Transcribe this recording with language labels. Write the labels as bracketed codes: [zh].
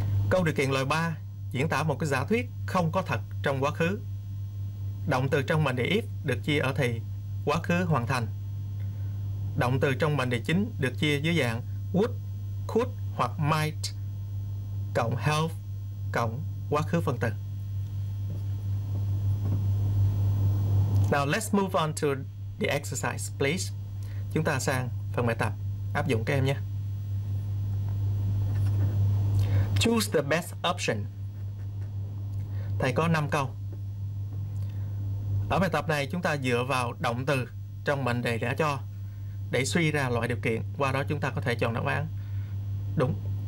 [vi] Câu điều kiện loại 3 diễn tả một cái giả thuyết không có thật trong quá khứ. Động từ trong mệnh đề if được chia ở thì quá khứ hoàn thành. Động từ trong mệnh đề chính được chia dưới dạng would, could hoặc might cộng have cộng quá khứ phân từ. [en] Now let's move on to the exercise, please. [vi] Chúng ta sang phần bài tập áp dụng các em nhé. [en] Choose the best option. [vi] Thầy có 5 câu. Ở bài tập này chúng ta dựa vào động từ trong mệnh đề đã cho để suy ra loại điều kiện, qua đó chúng ta có thể chọn đáp án đúng.